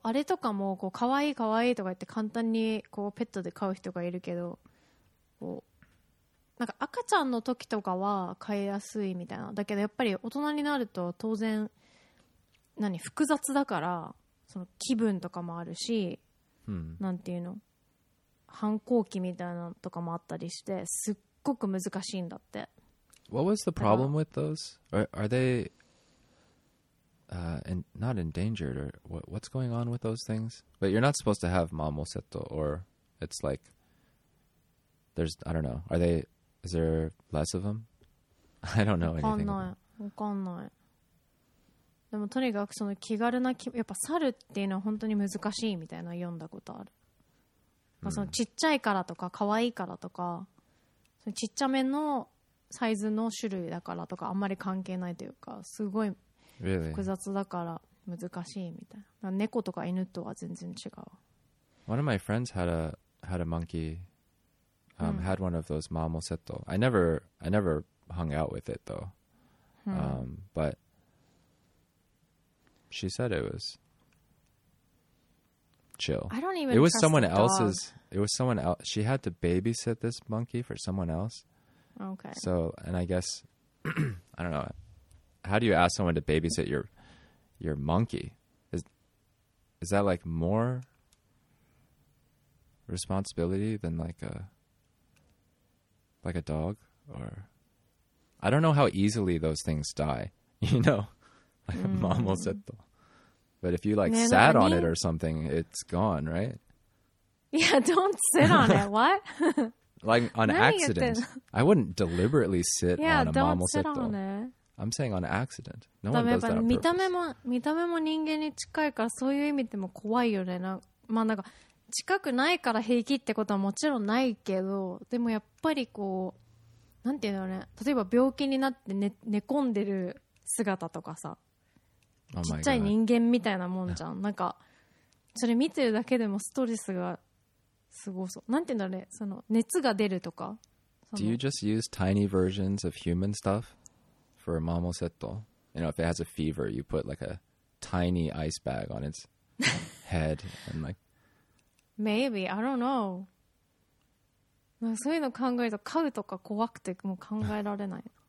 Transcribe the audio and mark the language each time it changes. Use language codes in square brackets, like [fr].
[ja] あれとかも、こう、かわいいかわいいとか言って簡単に、こう、ペットで飼う人がいるけど、 こう、なんか赤ちゃんの時とかは飼いやすいみたいな。だけどやっぱり大人になると、当然、何、複雑だから、その気分とかもあるし、なんていうの反抗期みたいなのとかもあったりしてすっごく難しいんだって [en] What was the problem with those? Are they not endangered or what's going on with those things? But you're not supposed to have marmoseto or it's like there's, I don't know, are they, is there less of them? I don't know anything about them. [ja] わかんない。わかんない。でもとにかくその気軽な気、やっぱ猿っていうのは本当に難しいみたいな読んだことある。まあ、そのちっちゃいからとか可愛いからとかそのちっちゃめのサイズの種類だからとかあんまり関係ないというかすごい複雑だから難しいみたいな猫とか犬とは全然違う [en] One of my friends had a monkey had one of those marmoseto I never hung out with it though but she said it was chill I don't even it was someone else's it was someone else she had to babysit this monkey for someone else okay so and I guess I don't know how do you ask someone to babysit your monkey is that like more responsibility than like a dog or I don't know how easily those things die you know like a marmoseto But if you like sat on it or something, it's gone, right? Yeah, don't sit on it. What? like on accident. I wouldn't deliberately sit yeah, on a don't marmoseto. Sit on it. I'm saying on accident. No one does that on purpose. [ja] 見た目も人間に近いからそういう意味でも怖いよね。まあなんか近くないから平気ってことはもちろんないけど、でもやっぱりこう、なんていうのね。例えば病気になって寝込んでる姿とかさ。 Oh、ちっちゃい人間みたいなもんじゃん。なんかそれ見てるだけでもストレスがすごそう。なんていうんだろうね。その熱が出るとか。 [en] Do you just use tiny versions of human stuff for marmoseto? You know, if it has a fever, you put like a tiny ice bag on its head and like. Maybe I don't know. [ja] なんかそういうの考えると飼うとか怖くてもう考えられない。